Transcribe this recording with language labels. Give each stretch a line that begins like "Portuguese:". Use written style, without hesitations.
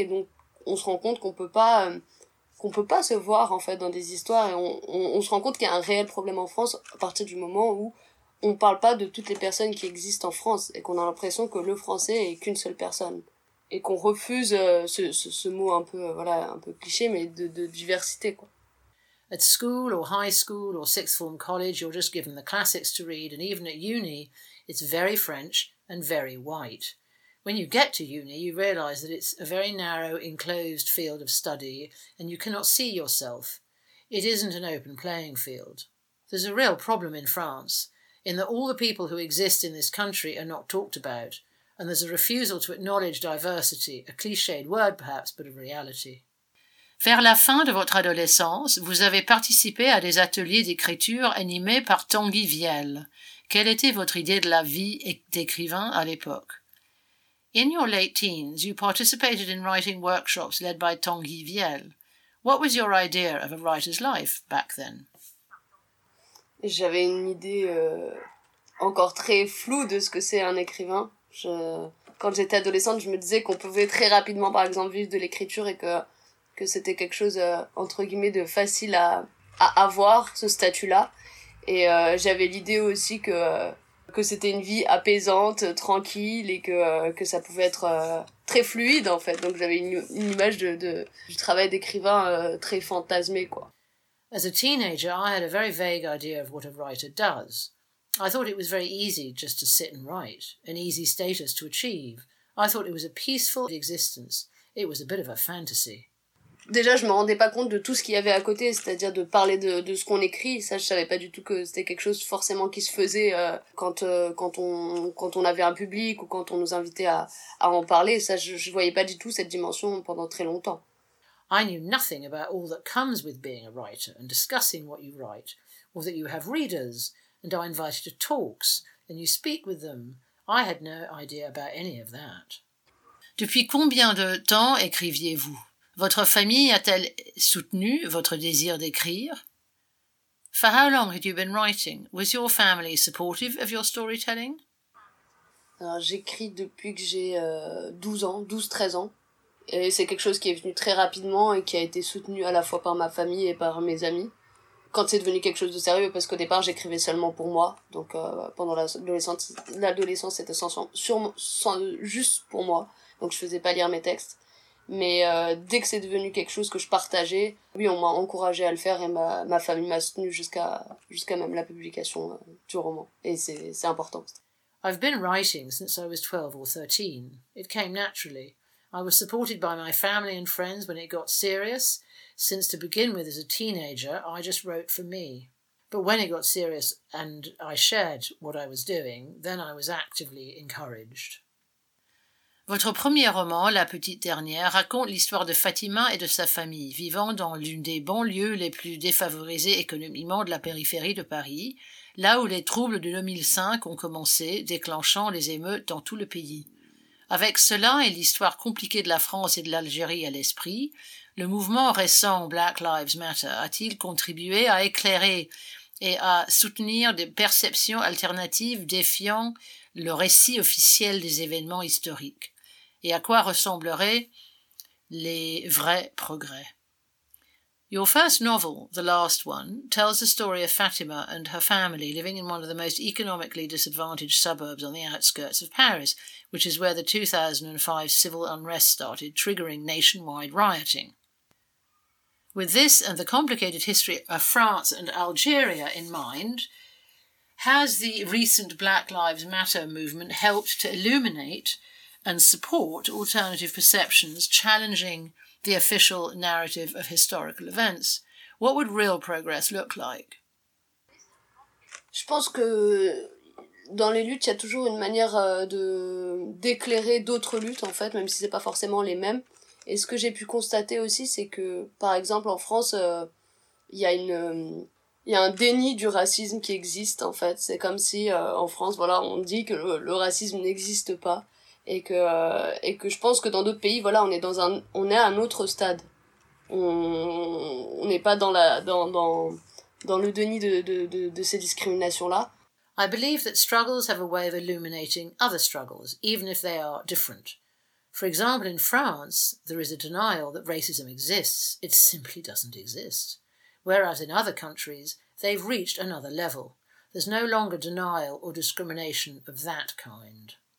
French: Et donc, on se rend compte qu'on peut pas se voir, en fait, dans des histoires. Et on se rend compte qu'il y a un réel problème en France à partir du moment où on ne parle pas de toutes les personnes qui existent en France et qu'on a l'impression que le français est qu'une seule personne. Et qu'on refuse ce mot un peu, voilà, un peu cliché, mais de diversité, quoi.
English: At school or high school or sixth form college, you're just given the classics to read, and even at uni, it's very French and very white. When you get to uni, you realise that it's a very narrow, enclosed field of study, and you cannot see yourself. It isn't an open playing field. There's a real problem in France, in that all the people who exist in this country are not talked about, and there's a refusal to acknowledge diversity, a clichéd word perhaps, but a reality.
French: Vers la fin de votre adolescence, vous avez participé à des ateliers d'écriture animés par Tanguy Vielle. Quelle était votre idée de la vie d'écrivain à l'époque?
English: In your late teens, you participated in writing workshops led by Tanguy Vielle. What was your idea of a writer's life back then?
French: J'avais une idée encore très floue de ce que c'est un écrivain. Quand j'étais adolescente, je me disais qu'on pouvait très rapidement, par exemple, vivre de l'écriture et que c'était quelque chose, entre guillemets, de facile à avoir, ce statut-là. Et j'avais l'idée aussi que c'était une vie apaisante, tranquille, et que ça pouvait être très fluide, en fait. Donc j'avais une image du travail d'écrivain très fantasmé, quoi.
English: As a teenager, I had a very vague idea of what a writer does. I thought it was very easy just to sit and write, an easy status to achieve. I thought it was a peaceful existence. It was a bit of a fantasy.
French: Déjà, je ne me rendais pas compte de tout ce qu'il y avait à côté, c'est-à-dire de parler de ce qu'on écrit. Ça, je ne savais pas du tout que c'était quelque chose forcément qui se faisait quand on avait un public ou quand on nous invitait à en parler. Ça, je ne voyais pas du tout cette dimension pendant très longtemps.
English: I knew nothing about all that comes with being a writer and discussing what you write, or that you have readers, and are invited to talks, and you speak with them. I had no idea about any of that.
French: Depuis combien de temps écriviez-vous? Votre famille a-t-elle soutenu votre désir d'écrire?
English: For how long had you been writing? Was your family supportive of your storytelling?
French: Alors, j'écris depuis que j'ai 12-13 ans. Et c'est quelque chose qui est venu très rapidement et qui a été soutenu à la fois par ma famille et par mes amis. Quand c'est devenu quelque chose de sérieux, parce qu'au départ j'écrivais seulement pour moi. Donc pendant l'adolescence c'était juste pour moi. Donc je faisais pas lire mes textes. Mais dès que c'est devenu quelque chose que je partageais, oui, on m'a encouragé à le faire et ma famille m'a soutenu jusqu'à même la publication du roman. Et c'est important.
English: I've been writing since I was 12 or 13. It came naturally. I was supported by my family and friends when it got serious, since to begin with as a teenager, I just wrote for me. But when it got serious and I shared what I was doing, then I was actively encouraged.
French: Votre premier roman, La Petite Dernière, raconte l'histoire de Fatima et de sa famille, vivant dans l'une des banlieues les plus défavorisées économiquement de la périphérie de Paris, là où les troubles de 2005 ont commencé, déclenchant les émeutes dans tout le pays. Avec cela et l'histoire compliquée de la France et de l'Algérie à l'esprit, le mouvement récent Black Lives Matter a-t-il contribué à éclairer et à soutenir des perceptions alternatives défiant le récit officiel des événements historiques? Et à quoi ressembleraient les vrais progrès?
English: Your first novel, The Last One, tells the story of Fatima and her family living in one of the most economically disadvantaged suburbs on the outskirts of Paris, which is where the 2005 civil unrest started, triggering nationwide rioting. With this and the complicated history of France and Algeria in mind, has the recent Black Lives Matter movement helped to illuminate and support alternative perceptions challenging the official narrative of historical events? What would real progress look like?
French: Je pense que dans les luttes, il y a toujours une manière d'éclairer d'autres luttes, en fait, même si ce n'est pas forcément les mêmes. Et ce que j'ai pu constater aussi, c'est que, par exemple, en France, il y a un déni du racisme qui existe, en fait. C'est comme si, en France, voilà, on dit que le racisme n'existe pas. Et que je pense que dans d'autres pays, voilà, on est à un autre stade. On n'est pas dans le déni de ces discriminations-là.
English: I believe that struggles have a way of illuminating other struggles, even if they are different. For example, in France, there is a denial that racism exists. It simply doesn't exist. Whereas in other countries, they've reached another level. There's no longer denial or discrimination of that kind.